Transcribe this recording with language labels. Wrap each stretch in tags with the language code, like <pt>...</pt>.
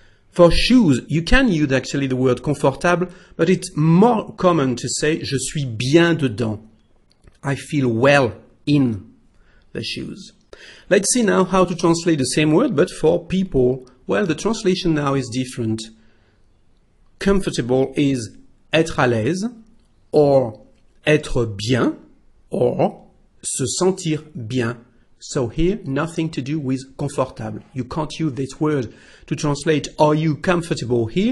<en>For shoes, you can use actually the word confortable, but it's more common to say</en> <fr>je suis bien dedans.</fr> <en>I feel well in the shoes. Let's see now how to translate the same word, but for people. Well, the translation now is different. Comfortable is</en> <fr>être à l'aise,</fr> <en>or</en> <fr>être bien,</fr> <en>or</en> <fr>se sentir bien.</fr> <en>So here, nothing to do with comfortable. You can't use this word to translate, are you comfortable here?</en>